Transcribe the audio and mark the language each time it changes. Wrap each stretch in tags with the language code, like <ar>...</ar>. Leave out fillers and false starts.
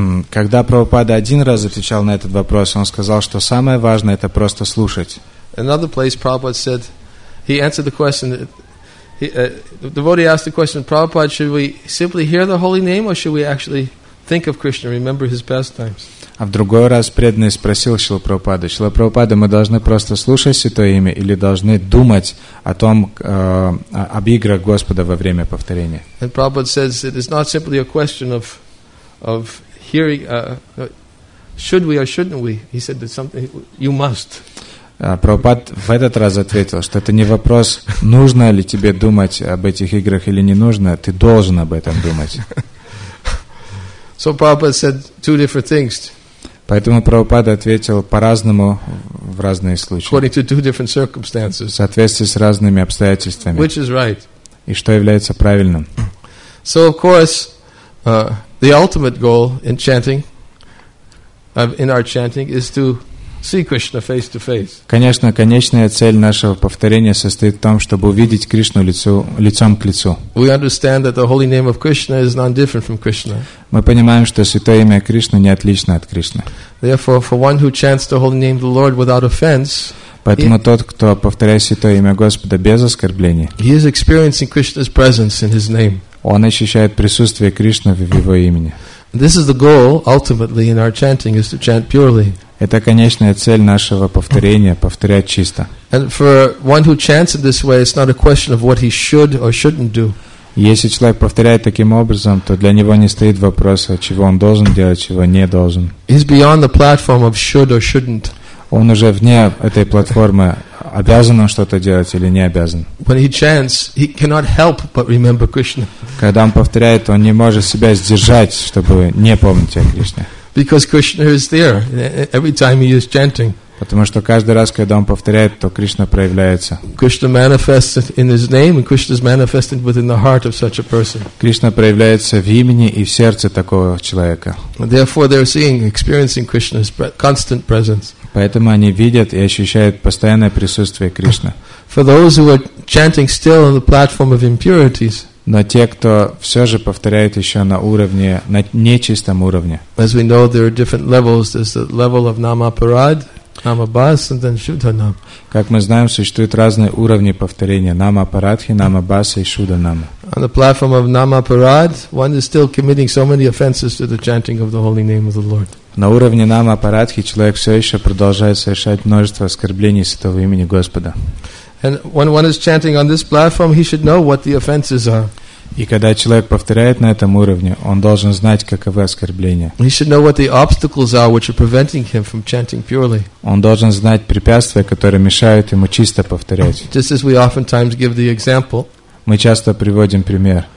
<ru>Когда Прабхупада один раз отвечал на этот вопрос, он сказал, что самое важное – это просто слушать.</ru> <en>Another place, Prabhupada said, he answered the question, the devotee asked the question, Prabhupada, should we simply hear the holy name, or should we actually think of Krishna, remember his pastimes?</en> <ru>А в другой раз преданный спросил Шрилу Прабхупаду, Шрила Прабхупада, мы должны просто слушать Святое Имя или должны думать о том, об играх Господа во время повторения?</ru> <en>And Prabhupada says, it is not simply a question of hearing, should we or shouldn't we? He said that something, you must.</en> <ru>Прабхупад в этот раз ответил, что это не вопрос, нужно ли тебе думать об этих играх или не нужно, ты должен об этом думать.</ru> <en>So Prabhupada said two different things.</en> <ru>Поэтому Прабхупада ответил по-разному в разные случаи.</ru> <en>According to two different circumstances.</en> <ru>В соответствии с разными обстоятельствами.</ru> <en>Which is right?</en> <ru>И что является правильным?</ru> <en>So of course, the ultimate goal in chanting, in our chanting, is to see Krishna face to face.</en> <ru>Конечно, конечная цель нашего повторения состоит в том, чтобы увидеть Кришну лицом к лицу.</ru> <en>We understand that the holy name of Krishna is not different from Krishna.</en> <ru>Мы понимаем, что святое имя Кришны не отлично от Кришны.</ru> <en>Therefore, for one who chants the holy name of the Lord without offense,</en> <ru>поэтому тот, кто повторяет святое имя Господа без оскорблений,</ru> <en>he is experiencing Krishna's presence in his name.</en> <ru>Он ощущает присутствие Кришны в его имени.</ru> <en>This is the goal ultimately in our chanting is to chant purely.</en> <ru>Это конечная цель нашего повторения, повторять чисто.</ru> <en>And for one who chants in this way, it's not a question of what he should or shouldn't do.</en> <ru>Если человек повторяет таким образом, то для него не стоит вопроса, чего он должен делать, чего не должен.</ru> <en>He's beyond the platform of should or shouldn't.</en> <ru>Он уже вне этой платформы, обязан он что-то делать или не обязан.</ru> <en>When he chants, he cannot help but remember Krishna.</en> <ru>Когда он повторяет, он не может себя сдержать, чтобы не помнить о Кришне.</ru> <en>Because Krishna is there every time he is chanting.</en> <ru>Потому что каждый раз, когда он повторяет, то Кришна проявляется.</ru> <en>Krishna manifests in his name, and Krishna is manifested within the heart of such a person.</en> <ru>Кришна проявляется в имени и в сердце такого человека.</ru> <en>Therefore, they are seeing, experiencing Krishna's constant presence.</en> <ru>Поэтому они видят и ощущают постоянное присутствие Кришны.</ru> <en>For those who are chanting still on the platform of impurities.</en> <ru>Но те, кто все же повторяет еще на уровне, на нечистом уровне.</ru> <en>As we know, there are different levels. There's the level of Namaparad, Namabhas, and then Shuddhanam.</en> <ru>Как мы знаем, существуют разные уровни повторения. Намапарадхи, Намабаса и Шуддханам.</ru> <en>On the platform of Namaparad, one is still committing so many offenses to the chanting of the holy name of the Lord.</en> <ru>На уровне Намапарадхи человек все еще продолжает совершать множество оскорблений святого имени Господа.</ru> <en>And when one is chanting on this platform, he should know what the offenses are.</en> <ru>И когда человек повторяет на этом уровне, он должен знать, каковы оскорбления.</ru> <en>He should know what the obstacles are, which are preventing him from chanting purely.</en> <ru>Он должен знать препятствия, которые мешают ему чисто повторять.</ru> <en>Just as we oftentimes give the example.</en> <ru>Мы часто приводим пример.</ru>